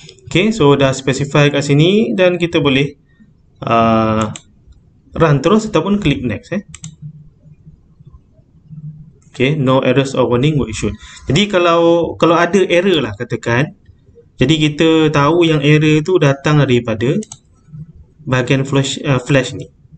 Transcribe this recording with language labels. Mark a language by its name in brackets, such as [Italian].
[Malay] Okay, so dah specify kat sini dan kita boleh run terus ataupun klik next eh. [English] Okay, no errors or warning were issued. [Malay] Jadi kalau ada error lah katakan, jadi kita tahu yang error tu datang daripada bahagian flash ni.